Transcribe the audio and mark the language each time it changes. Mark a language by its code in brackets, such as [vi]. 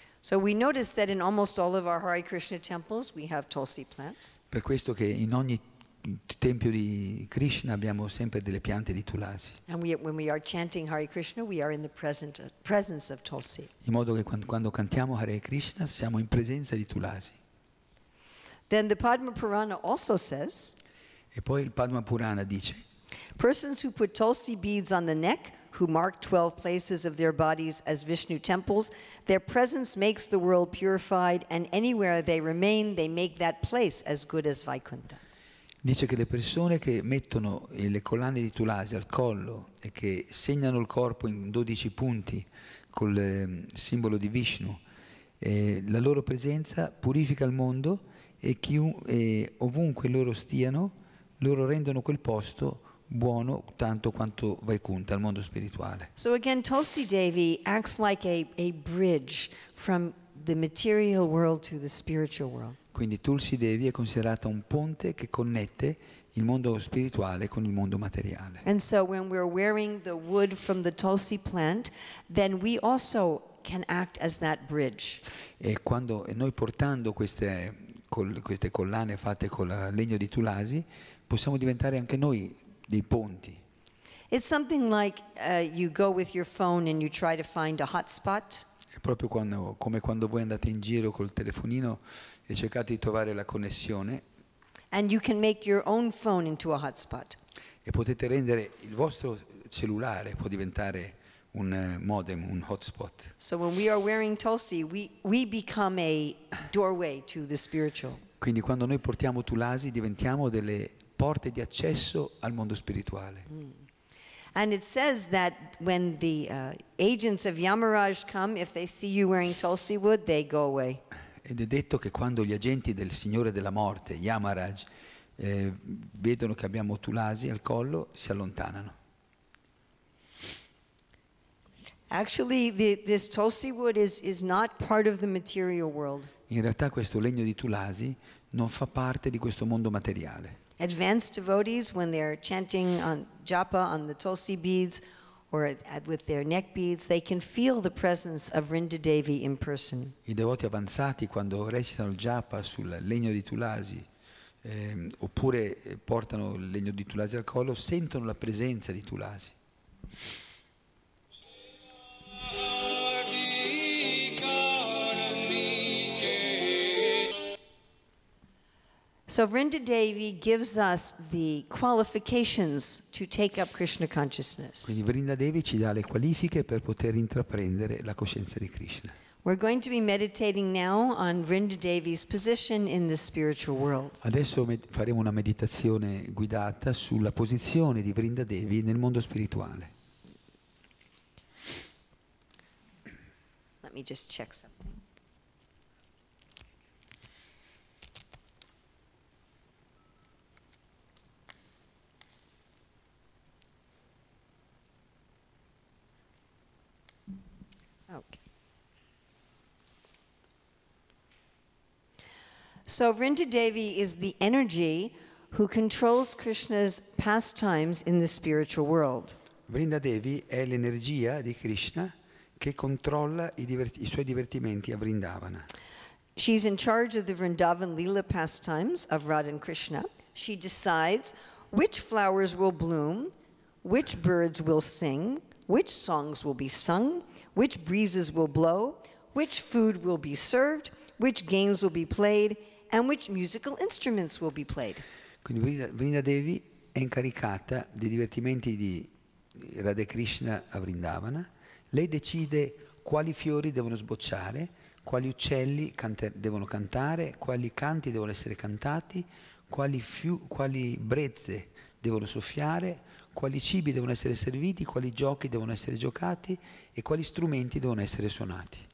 [en] So we notice that in almost all of our Hare Krishna temples we have Tulsi plants. [it] Per questo che in ogni tempio di Krishna abbiamo sempre delle piante di Tulasi. [en] And when we are chanting Hare Krishna we are in the presence of Tulsi. [it] In modo che quando cantiamo Hare Krishna siamo in presenza di Tulasi. [en] Then the Padma Purana also says. [it] E poi il Padma Purana dice. [en] Persons who put Tulsi beads on the neck, who mark 12 places of their bodies as Vishnu temples, their presence makes the world purified, and anywhere they remain, they make that place as good as Vaikuntha. [it] Dice che le persone che mettono le collane di Tulasi al collo e che segnano il corpo in 12 punti col simbolo di Vishnu, la loro presenza purifica il mondo e ovunque loro stiano, loro rendono quel posto buono tanto quanto Vaikuntha, al mondo spirituale. [en] So again, Tulsi Devi acts like a bridge from the material world to the spiritual world. [it] Quindi Tulsi Devi è considerata un ponte che connette il mondo spirituale con il mondo materiale. [en] And so when we're wearing the wood from the Tulsi plant, then we also can act as that bridge. [it] E quando noi portando queste collane fatte con il legno di Tulasi, possiamo diventare anche noi dei ponti. [en] It's something like you go with your phone and you try to find a hotspot. [it] È proprio come quando voi andate in giro col telefonino e cercate di trovare la connessione. [en] And you can make your own phone into a hotspot. [it] E potete rendere il vostro cellulare può diventare un modem, un hotspot. [en] So when we are wearing Tulsi, we become a doorway to the spiritual. [it] Quindi quando noi portiamo Tulasi diventiamo delle porte di accesso al mondo spirituale. [en] And it says that when the agents of Yamaraj come, if they see you wearing Tulsi wood, they go away. [it] Ed è detto che quando gli agenti del Signore della Morte, Yamaraj, vedono che abbiamo Tulasi al collo, si allontanano. [en] Actually, this Tulsi wood is not part of the material world. [it] In realtà questo legno di Tulasi non fa parte di questo mondo materiale. [en] Advanced devotees, when they are chanting on japa on the Tulsi beads or with their neck beads, they can feel the presence of Vrinda Devi in person. [it] I devoti avanzati quando recitano il japa sul legno di Tulasi oppure portano il legno di Tulasi al collo sentono la presenza di Tulasi. [en] So Vrinda Devi gives us the qualifications to take up Krishna consciousness. [it] Quindi Vrinda Devi ci dà le qualifiche per poter intraprendere la coscienza di Krishna. [en] We're going to be meditating now on Vrinda Devi's position in the spiritual world. [it] Adesso faremo una meditazione guidata sulla posizione di Vrinda Devi nel mondo spirituale. [en] Let me just check something. So Vrinda Devi is the energy who controls Krishna's pastimes in the spiritual world. [it] Vrinda Devi è l'energia di Krishna che controlla i suoi divertimenti a Vrindavana. [en] She's in charge of the Vrindavan Lila pastimes of Radha and Krishna. She decides which flowers will bloom, which birds will sing, which songs will be sung, which breezes will blow, which food will be served, which games will be played, and which musical instruments will be played. [it] Quindi Vrinda Devi è incaricata dei divertimenti di Radha Krishna a Vrindavana. Lei decide quali fiori devono sbocciare, quali uccelli devono cantare, quali canti devono essere cantati, quali brezze devono soffiare, quali cibi devono essere serviti, quali giochi devono essere giocati e quali strumenti devono essere suonati.